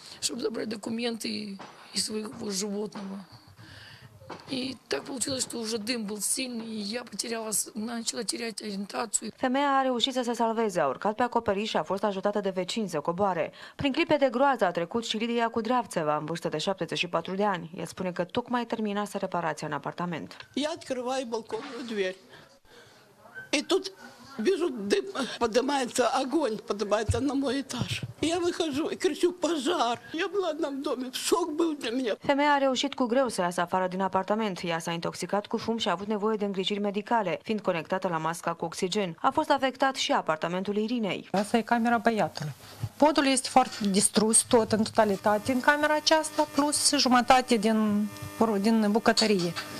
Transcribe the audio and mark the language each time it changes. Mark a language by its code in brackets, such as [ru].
[uk] Щоб забрати документи і свого животного. І так вийшло, що вже дим був сильний, і я потеряла, почала теряти орієнтацію. [ro] Femeia a reușit să se salveze, a urcat pe acoperiș și a fost ajutată de vecini să coboare. Prin clipe de groază a trecut și Lidia Cudreavțeva, în vârstă de 74 de ani. El spune că tocmai terminase reparația în apartament. [uk] Я відкриваю балконну дверь. [ru] І тут вижу дым, поднимается огонь, поднимается на мой этаж. Я выхожу и кричу: пожар! Я была одна в доме, шок был для меня. [ro] Femeia a reușit cu greu să iasă afară din apartament. Ea s-a intoxicat cu fum și a avut nevoie de îngrijiri medicale, fiind conectată la masca cu oxigen. A fost afectat și apartamentul Irinei. Asta e camera băiatului. Podul este foarte distrus tot în totalitate în camera aceasta, plus jumătate din bucătărie.